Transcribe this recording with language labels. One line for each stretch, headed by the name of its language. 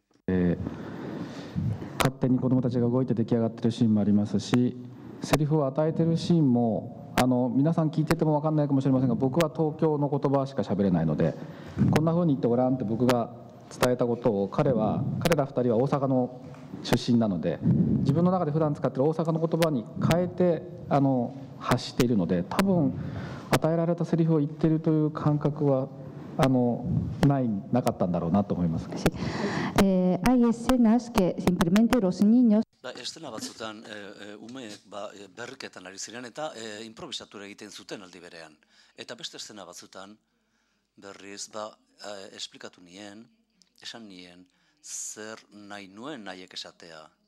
Japanese: 勝手に子どもたちが動いて出来上がってるシーンもありますし、セリフを与えてるシーンも、あの皆さん聞いてても分かんないかもしれませんが、僕は東京の言葉しか喋れないので、こんな風に言ってごらんって僕が伝えたことを、彼は、彼ら2人は大阪の出身なので、自分の中で普段使ってる大阪の言葉に変えて、あの発しているので、多分与えられたセリフを言ってるという感覚は、あのない、なかったんだろうなと思います。
Spanish: Hay escenas que simplemente los niños...
Basque: Ba, estena batzutan, umeek ba, berriketan ari ziren eta improvisatura egiten zuten aldi berean. Eta beste estena batzutan, berriz, ba, esplikatu nien, esan nien, zer nahi nuen nahiek esatea.